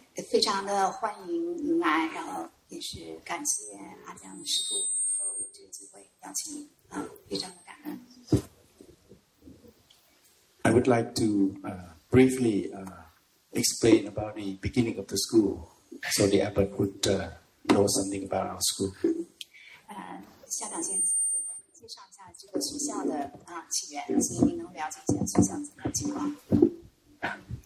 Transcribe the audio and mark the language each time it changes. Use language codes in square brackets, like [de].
[zh] 非常的欢迎您来，然后也是感谢阿江师傅能够有这个机会邀请您，非常的感恩。 [en] I would like to briefly explain about the beginning of the school, so the abbot would know something about our school. [zh] 校长先简单介绍一下这个学校的起源，所以您能了解一下学校怎么情况。